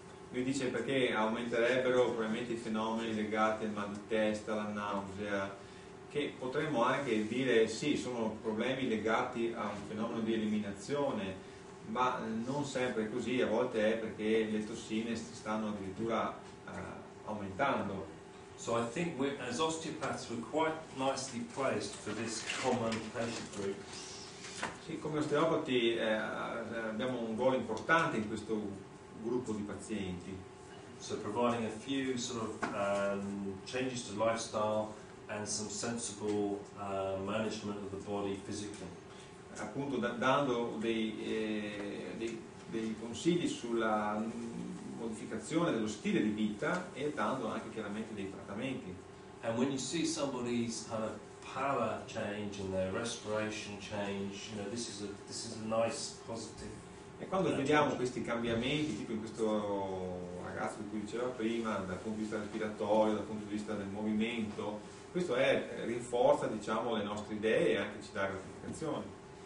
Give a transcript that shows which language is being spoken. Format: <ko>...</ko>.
<it>Lui dice perché aumenterebbero probabilmente i fenomeni legati al mal di testa, la nausea, che potremmo anche dire sì, sono problemi legati a un fenomeno di eliminazione, ma non sempre così, a volte è perché le tossine si stanno addirittura aumentando.</it> <en>So I think we as osteopaths we're quite nicely placed for this common patient group.</en> <it>Sì, come osteopati abbiamo un ruolo importante in questo gruppo di pazienti.</it> <en>So providing a few sort of changes to lifestyle and some sensible management of the body physically.</en> <it>Appunto dando dei consigli sulla modificazione dello stile di vita e dando anche chiaramente dei trattamenti.</it> <en>And when you see somebody's kind of power change and their respiration change, you know, this is a nice positive.</en> <it>E quando vediamo questi cambiamenti, tipo in questo ragazzo di cui dicevo prima, dal punto di vista respiratorio, dal punto di vista del movimento, questo è rinforza, diciamo, le nostre idee e anche ci dà gratificazione.</it>